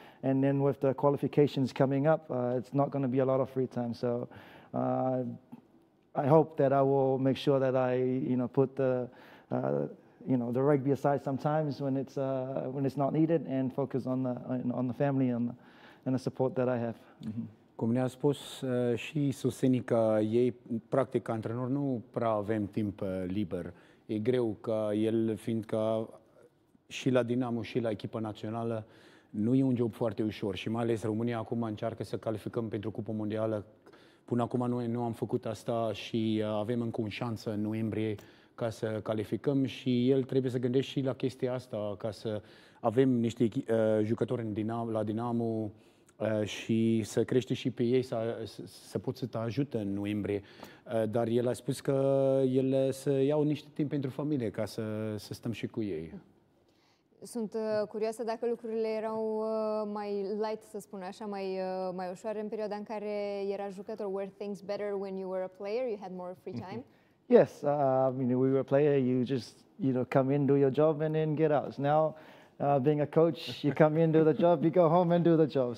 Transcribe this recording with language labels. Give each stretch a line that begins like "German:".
English: And then with the qualifications coming up, it's not going to be a lot of free time. So I hope that I will make sure that I, you know, put the... you know, the rugby aside sometimes when it's not needed and focus on the family and the support that I have.
Romanian: Cum ne-a spus și Soseni că ei, practic, antrenor, nu prea avem timp liber. E greu că el, fiindcă și la Dinamo și la echipa națională, nu e un job foarte ușor și mai ales România acum încearcă să calificăm pentru Cupa Mondială. Până acum noi nu am făcut asta și avem încă o șansă în noiembrie ca să calificăm și el trebuie să gândești și la chestia asta, ca să avem niște jucători la Dinamo și să crește și pe ei, să poți să te ajute în noiembrie. Dar el a spus că el să iau niște timp pentru familie, ca să stăm și cu ei. Sunt curioasă dacă lucrurile erau mai light, să spun așa, mai ușoare în perioada în care era jucător.
English: Were things better when you were a player? You had more free time? Yes, we were a player. You just, you know, come in, do your job, and then get out. Now, being a coach, you come in, do the job, you go home and do the job.